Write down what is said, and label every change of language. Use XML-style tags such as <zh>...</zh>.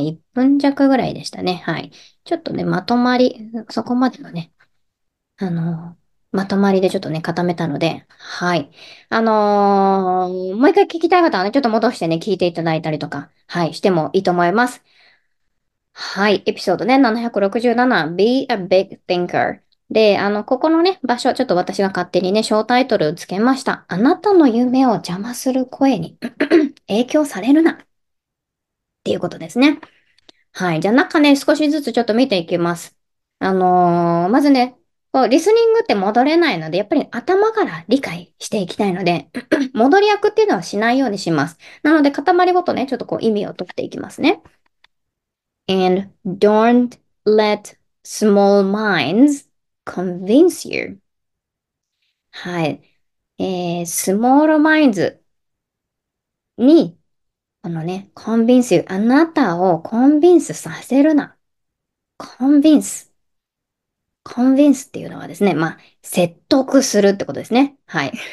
<ja>1分弱ぐらいでしたね。はい。ちょっとね、まとまり、そこまでのね、まとまりでちょっとね、固めたので、はい。もう一回聞きたい方はね、ちょっと戻してね、聞いていただいたりとか、はい、してもいいと思います。はい、エピソードね、767、</ja> <en>Be a big thinker。</en> <ja>で、ここのね、場所、ちょっと私が勝手にね、ショータイトルつけました。あなたの夢を邪魔する声に影響されるな。っていうことですね。はい。じゃあ中ね、少しずつちょっと見ていきます。まずね、リスニングって戻れないので、やっぱり頭から理解していきたいので、戻り役っていうのはしないようにします。なので、塊ごとね、ちょっとこう意味を取っていきますね。</ja> <en>And don't let small minds convince you.</en> <ja>はい。</ja> <en>small minds</en> <ja>に、このね、</ja> <en>convince you.</en> <ja>あなたを</ja> <en>convince</en> <ja>させるな。</ja> <en>convince。 convince</en> <ja>っていうのはですね、まあ、説得するってことですね。はい。</ja>